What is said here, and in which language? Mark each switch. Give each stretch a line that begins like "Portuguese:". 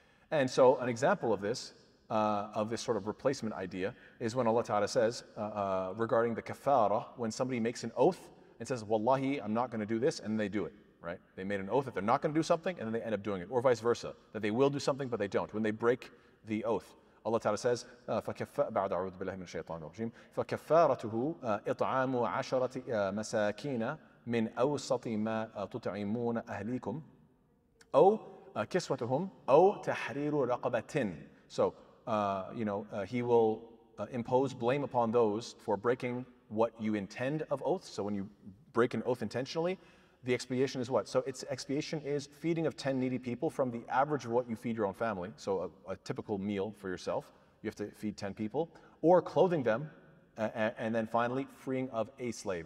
English: And so an example of this sort of replacement idea, is when Allah Ta'ala says, regarding the kafara, when somebody makes an oath and says, wallahi, I'm not gonna do this, and they do it, right? They made an oath that they're not gonna do something, and then they end up doing it, or vice versa, that they will do something, but they don't. When they break the oath, Allah Ta'ala says,
Arabic: بعد أعوذ بالله من الشيطان الرجيم فكفارته إطعام عشرة مساكين من أوسط ما تطعمون أهليكم أو كسوتهم أو تحرير رقبة.
English: So, he will impose blame upon those for breaking what you intend of oath. So when you break an oath intentionally, the expiation is what? So its expiation is feeding of 10 needy people from the average of what you feed your own family. So a typical meal for yourself, you have to feed 10 people, or clothing them, and then finally freeing of a slave.